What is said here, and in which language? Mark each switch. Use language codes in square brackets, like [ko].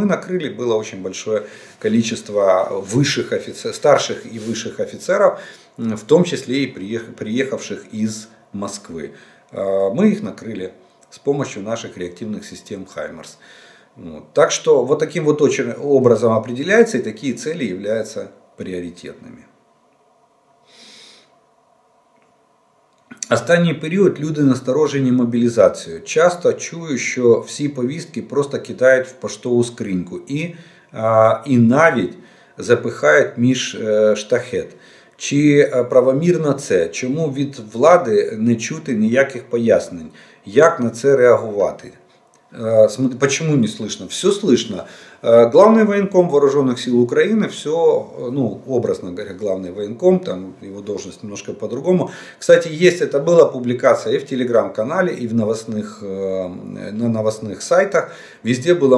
[ru] Мы накрыли, было очень большое количество высших офицеров, старших и высших офицеров, в том числе и приехавших из Москвы. Мы их накрыли с помощью наших реактивных систем «Хаймарс». Вот. Так что вот таким вот образом определяется, и такие цели являются приоритетными. [uk] Останній період люди насторожені мобілізацією. Часто чую, що всі повістки просто кидають в поштову скриньку і навіть запихають між штахет. Чи правомірно це? Чому від влади не чути ніяких пояснень? Як на це реагувати? [ru] Почему не слышно? Все слышно. Главный военком вооруженных сил Украины, все, ну, образно говоря, главный военком, там его должность немножко по-другому. Кстати, есть, это была публикация и в телеграм-канале, и в новостных, на новостных сайтах, везде было.